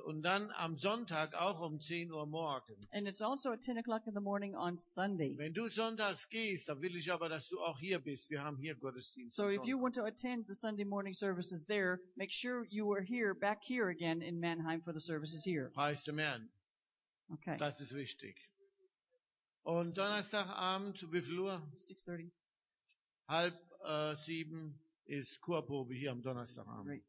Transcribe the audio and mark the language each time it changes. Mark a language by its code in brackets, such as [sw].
[de] Und dann am Sonntag auch um 10 Uhr morgens. [en] And it's also at 10 o'clock in the morning on Sunday. [de] Wenn du sonntags gehst, dann will ich aber, dass du auch hier bist. Wir haben hier Gottesdienst. [en] So if you want to attend the Sunday morning services there, make sure you are here, back here again in Mannheim for the services here. [de] Preis dem Herrn. Okay. Das ist wichtig. Und Donnerstagabend, wie viel Uhr? [en] 6:30. [de] Halb 7 ist Chorprobe hier am Donnerstagabend. Great.